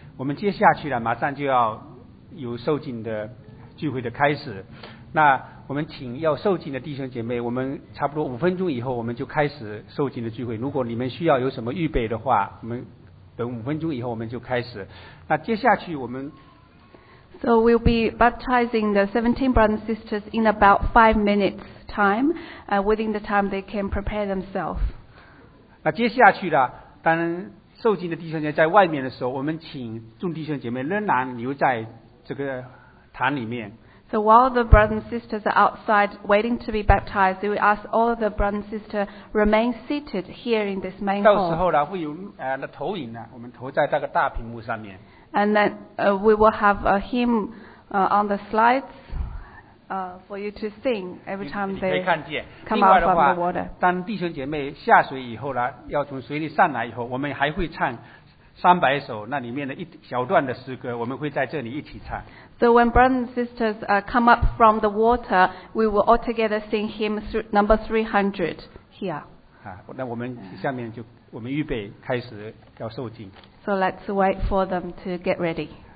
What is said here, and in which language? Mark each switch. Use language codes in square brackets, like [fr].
[zh] 我们接下去了，马上就要有受浸的聚会的开始。那我们请要受浸的弟兄姐妹，我们差不多五分钟以后我们就开始受浸的聚会。如果你们需要有什么预备的话，我们等五分钟以后我们就开始。那接下去我们 [en] So we'll be baptizing the 17 brothers and sisters in about 5 minutes time, within the time they can prepare themselves. [zh] 那接下去呢，当受浸的弟兄姐妹在外面的时候，我们请众弟兄姐妹仍然留在这个堂里面。 [en] So while the brothers and sisters are outside waiting to be baptized, we ask all of the brothers and sisters remain seated here in this main hall. [zh] 到时候呢，会有那投影呢，我们投在那个大屏幕上面。 [en] And then we will have a hymn on the slides for you to sing every time they come out from the water. [zh] 当弟兄姐妹下水以后呢，要从水里上来以后，我们还会唱300首那里面的一小段的诗歌，我们会在这里一起唱。 [en] So when brothers and sisters come up from the water, we will all together sing hymn number 300 here. [zh] 好，那我们下面就我们预备开始要受浸。 [en] So let's wait for them to get ready.